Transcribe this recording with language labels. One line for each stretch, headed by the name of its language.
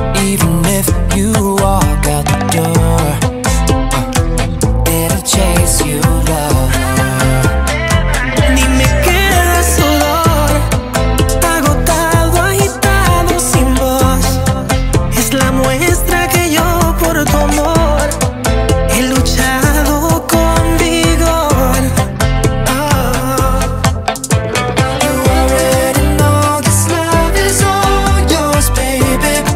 English: Even if you walk out the door, it'll chase you, love.
Spanish: Ni me queda solo, agotado, agitado sin voz. Es la muestra que yo por tu amor he luchado con vigor. Oh.
English: You already know this love is all yours, baby.